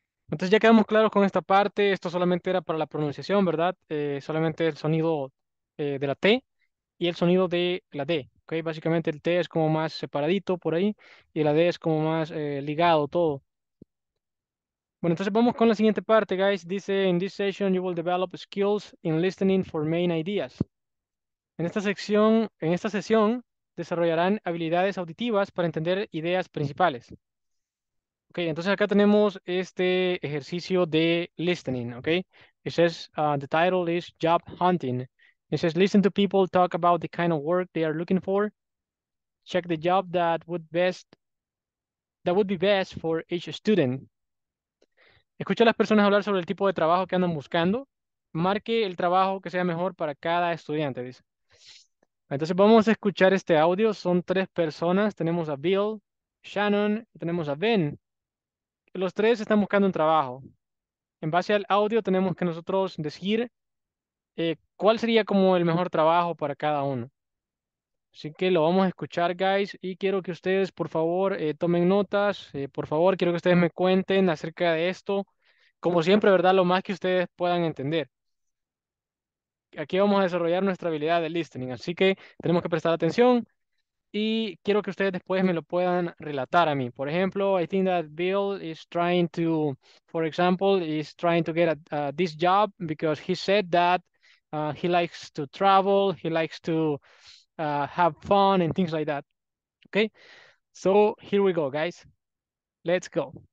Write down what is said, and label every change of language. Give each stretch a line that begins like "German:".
Spanish: Entonces, ya quedamos claros con esta parte. Esto solamente era para la pronunciación, ¿verdad? Solamente el sonido de la T y el sonido de la D. Okay, básicamente el T es como más separadito por ahí y la D es como más ligado todo. Bueno, entonces vamos con la siguiente parte, guys.
English: Dice, in this session you will develop skills in listening for main ideas.
Spanish: En esta sesión desarrollarán habilidades auditivas para entender ideas principales. Ok, entonces acá tenemos este ejercicio de listening, ok.
English: It says, the title is Job Hunting. It says, listen to people talk about the kind of work they are looking for. Check the job that would be best for each student.
Spanish: Escucha a las personas hablar sobre el tipo de trabajo que andan buscando. Marque el trabajo que sea mejor para cada estudiante, dice. Entonces vamos a escuchar este audio. Son tres personas. Tenemos a Bill, Shannon, y tenemos a Ben. Los tres están buscando un trabajo. En base al audio tenemos que nosotros decir ¿cuál sería como el mejor trabajo para cada uno? Así que lo vamos a escuchar, guys, y quiero que ustedes, por favor, tomen notas. Por favor, quiero que ustedes me cuenten acerca de esto. Como siempre, ¿verdad? Lo más que ustedes puedan entender. Aquí vamos a desarrollar nuestra habilidad de listening, así que tenemos que prestar atención. y quiero que ustedes después me lo puedan relatar a mí. Por ejemplo,
English: I think that Bill is trying to, for example, is trying to get this job because he said that he likes to travel, he likes to have fun and things like that. Okay, so here we go, guys. Let's go.